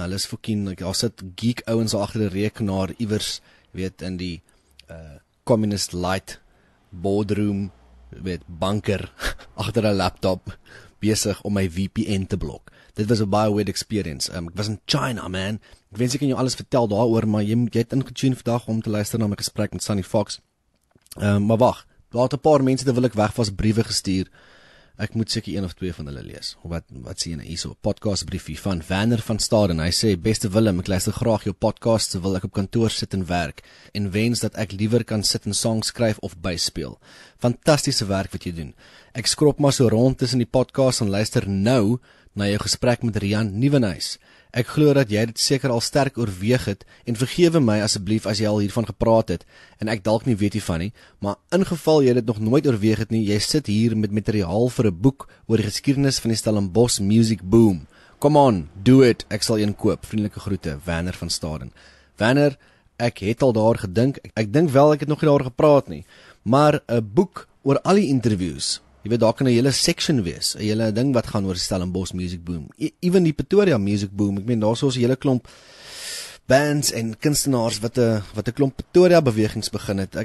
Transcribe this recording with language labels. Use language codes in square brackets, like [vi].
[af] Hulle is fucking, daar sit geek ouens agter 'n rekenaar iewers, weet, in die [en] communist light boardroom, [af] weet, banker agter 'n laptop besig om my VPN te blok. Dit was 'n baie [en] weird experience. [af] Ek was in China, man. Ek wens ek kan jou alles vertel daaroor, maar jy het ingetune vandag om te luister na my gesprek met Sannie Fox. Maar wag, daar het 'n paar mense te wil ek weg was briewe gestuur. Ek moet seker een of twee van hulle lees. Wat sê jy nou hierso? Podcast briefie van Werner van Staden. Hy sê, beste Willem, ek luister graag jou podcast, terwyl ek op kantoor sit en werk, en wens dat ek liewer kan sit en songs skryf of byspeel. Fantastiese werk wat jy doen. Ek skrop maar so rond tussen die podcast en luister nou na jou gesprek met Rian Nieuwenhuis. Ek glo dat jy dit seker al sterk oorweeg het, en vergewe my asseblief as jy al hiervan gepraat het en ek dalk nie weet hiervan nie, maar in geval jy dit nog nooit oorweeg het nie, jy sit hier met materiaal vir 'n boek oor die geskiedenis van die Stellenbosch music boom. [en] Come on, do it. [af] Ek sal een koop. Vriendelike groete, Werner van Staden. Werner, ek het al daar gedink. Ek dink wel ek het nog nie daar gepraat nie, maar 'n boek oor al die interviews. Jy weet, daar kan 'n hele section wees, 'n hele ding wat gaan oor Stellenbosch music boom, [en] even [af] die Pretoria music boom. Ek meen, daar is ons hele klomp bands en kunstenaars wat 'n klomp Pretoria bewegings begin het.